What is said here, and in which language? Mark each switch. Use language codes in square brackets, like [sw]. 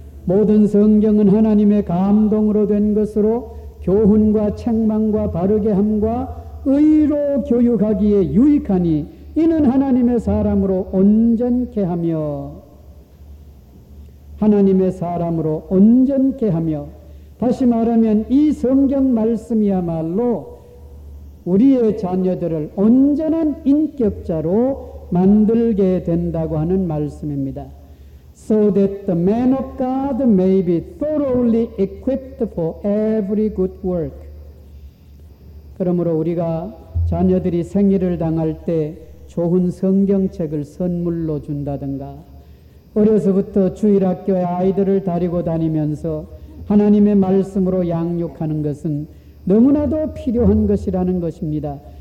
[ko] 모든 성경은 하나님의 감동으로 된 것으로 교훈과 책망과 바르게 함과 의로 교육하기에 유익하니 이는 하나님의 사람으로 온전케 하며 하나님의 사람으로 온전케 하며 다시 말하면 이 성경 말씀이야말로 우리의 자녀들을 온전한 인격자로 만들게 된다고 하는 말씀입니다. [en] So that the man of God may be thoroughly equipped for every good work. [ko] 그러므로 우리가 자녀들이 생일을 당할 때 좋은 성경책을 선물로 준다든가 어려서부터 주일학교에 아이들을 데리고 다니면서 하나님의 말씀으로 양육하는 것은 너무나도 필요한 것이라는 것입니다.